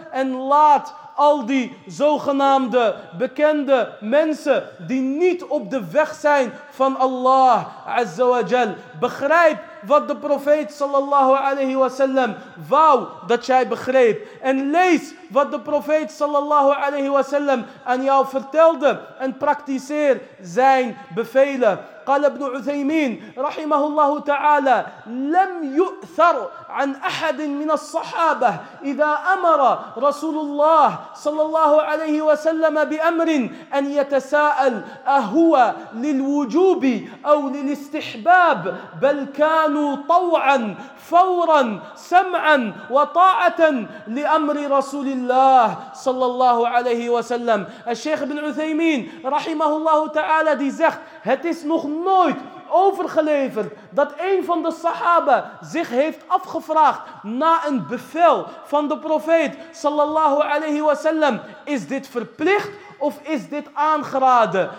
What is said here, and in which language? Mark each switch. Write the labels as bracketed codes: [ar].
[nl] En laat al die zogenaamde bekende mensen die niet op de weg zijn van Allah azza wa jal. Begrijp wat de profeet sallallahu alayhi wa sallam wou dat jij begreep. En lees wat de profeet sallallahu alayhi wa sallam aan jou vertelde. En praktiseer zijn bevelen. [ar] قال ابن عثيمين رحمه الله تعالى لم يؤثر عن أحد من الصحابة إذا أمر رسول الله صلى الله عليه وسلم بأمر أن يتساءل أهو للوجوب أو للاستحباب بل كانوا طوعا فورا سمعا وطاعة لأمر رسول الله صلى الله عليه وسلم. الشيخ ابن عثيمين رحمه الله تعالى [nl] دي زخت Het is nog nooit overgeleverd dat een van de sahaba zich heeft afgevraagd na een bevel van de profeet sallallahu alayhi wa sallam. Is dit verplicht of is dit aangeraden?